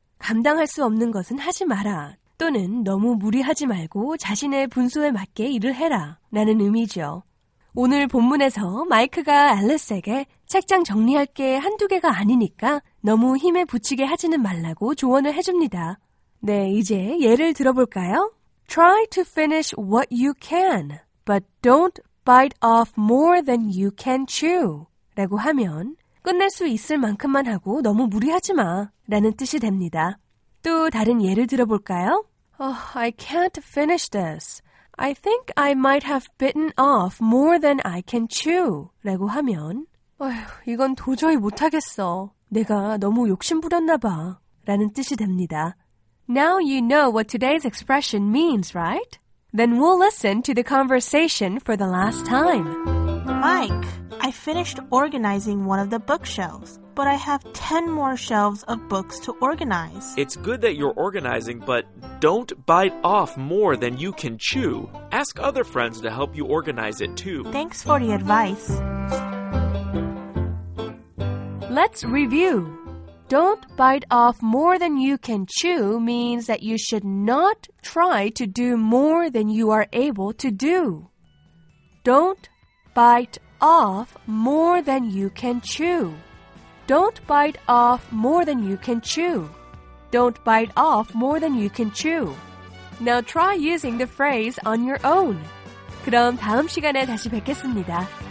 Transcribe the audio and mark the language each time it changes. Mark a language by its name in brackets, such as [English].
[Korean] 감당할 수 없는 것은 하지 마라. 또는 너무 무리하지 말고 자신의 분수에 맞게 일을 해라. 라는 의미죠. 오늘 본문에서 마이크가 앨리스에게 책장 정리할 게 한두 개가 아니니까 너무 힘에 부치게 하지는 말라고 조언을 해줍니다. 네, 이제 예를 들어볼까요? [English] Try to finish what you can, but don't bite off more than you can chew. [Korean] 라고 하면 끝낼 수 있을 만큼만 하고 너무 무리하지 마 라는 뜻이 됩니다. 또 다른 예를 들어볼까요? [English] Oh, I can't finish this. I think I might have bitten off more than I can chew. [Korean] 라고 하면 이건 도저히 못하겠어. 내가 너무 욕심 부렸나 봐 라는 뜻이 됩니다. [English] Now you know what today's expression means, right? Then we'll listen to the conversation for the last time. Mike, I finished organizing one of the bookshelves, but I have 10 more shelves of books to organize. It's good that you're organizing, but don't bite off more than you can chew. Ask other friends to help you organize it too. Thanks for the advice. Let's review. Don't bite off more than you can chew means that you should not try to do more than you are able to do. Don't bite off more than you can chew. Don't bite off more than you can chew. Don't bite off more than you can chew. Now try using the phrase on your own. [Korean] 그럼 다음 시간에 다시 뵙겠습니다.